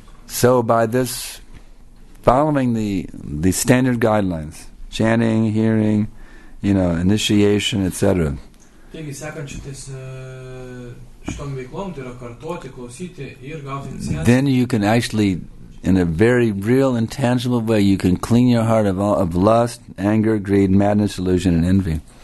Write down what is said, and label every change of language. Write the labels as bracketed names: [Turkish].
[English] So by this, following the standard guidelines, chanting, hearing, you know, initiation, etc. [Lithuanian] Taigi, sekant šitis šitom veiklom, tai yra kartuoti, klausyti ir gauti iniciaciją. [English] Then you can actually in a very real and tangible way, you can clean your heart of all, of lust, anger, greed, madness, illusion, and envy.